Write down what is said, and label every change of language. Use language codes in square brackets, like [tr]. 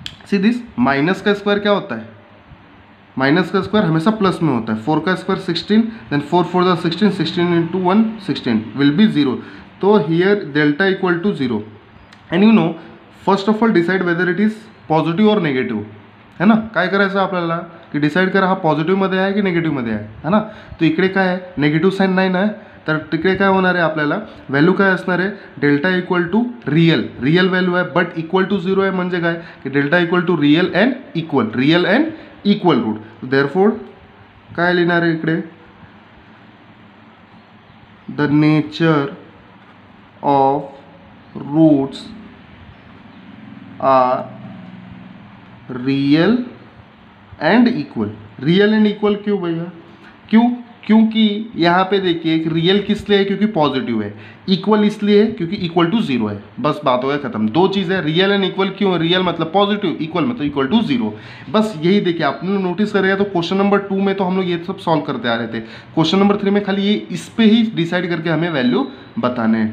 [hi] See this, minus का square क्या होता है, माइनस का स्क्वायर हमेशा प्लस में होता है, फोर का square sixteen, then four four दा sixteen, [en] Sixteen into one sixteen will be zero. तो here delta equal to zero, and you know first of all decide whether it is positive और negative, है ना। [mr] काय करायचं आपल्याला, की डिसाइड करा हा पॉझिटिव्हमध्ये आहे की नेगेटिव्हमध्ये आहे, है ना। तो इकडे काय आहे, नेगेटिव्ह साईन नाही ना, तर तिकडे काय होणार आहे, आपल्याला व्हॅल्यू काय असणार आहे, delta equal to real, real value आहे, बट इक्वल टू झिरो आहे, म्हणजे काय, की delta equal to real and equal, real and equal route. [en] therefore [mr] काय लिहिणार आहे इकडे, [en] The nature of roots are real and equal. [hi] Real and equal क्यों भैया, क्यों, क्योंकि यहाँ पे देखिए रियल किस लिए है, क्योंकि पॉजिटिव है, इक्वल इसलिए है क्योंकि इक्वल टू जीरो है, बस बात हो गया खत्म। दो चीज़ है, रियल एंड इक्वल क्यों, रियल मतलब पॉजिटिव, इक्वल मतलब इक्वल टू जीरो, बस यही। देखिए आपने नोटिस करेगा तो क्वेश्चन नंबर टू में तो हम लोग ये सब सॉल्व करते आ रहे थे, क्वेश्चन नंबर थ्री में खाली ये इस पे ही डिसाइड करके हमें वैल्यू बताने हैं।